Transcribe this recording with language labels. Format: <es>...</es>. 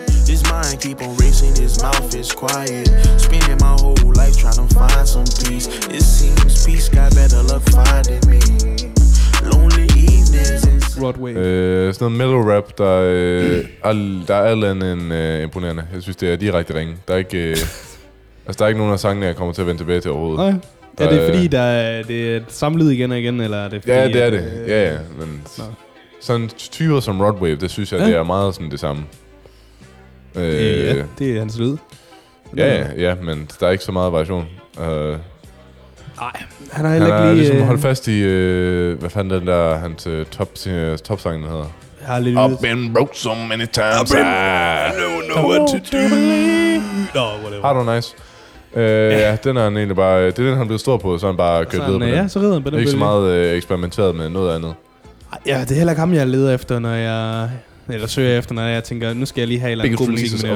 <en>his mind keep on racing, his mouth is quiet. Spending my whole life trying to find some peace. It seems peace got better luck finding me. Lonely evenings. Rod Wave.</en> <da>Sådan noget mellow rap, der er alt andet end imponerende. Jeg synes, det er direkte ringe. Der er ikke... Altså, der er ikke nogen af sangene, jeg kommer til at vende tilbage til overhovedet. Nej. Er det fordi, det er samlet igen og igen, eller er det fordi... Ja, det er det. Ja, men...</da> <en>No.</en> <da>Sådan tyver som Rod Wave, det synes jeg, det er meget sådan det samme. Det er hans lyd. Ja, ja, ja, men der er ikke så meget variation. Nej, han har heller ikke lige... Han ligesom holdt fast i, hvad fanden den der, hans topsang, den hedder. Jeg har lidt lyst.</da> <en>I've been broke so many times, I don't know what to do. No, whatever.</en> <da>Har du nice? Ja, den er han egentlig bare... Det er den, han blev stor på, så han bare kørte videre på den. Ja, så ridder han på den. Ikke så meget eksperimenteret med noget andet. Ja, det er heller ikke ham, jeg leder efter, når jeg... Eller søger efter, når jeg tænker, nu skal jeg lige have en god musik med</da>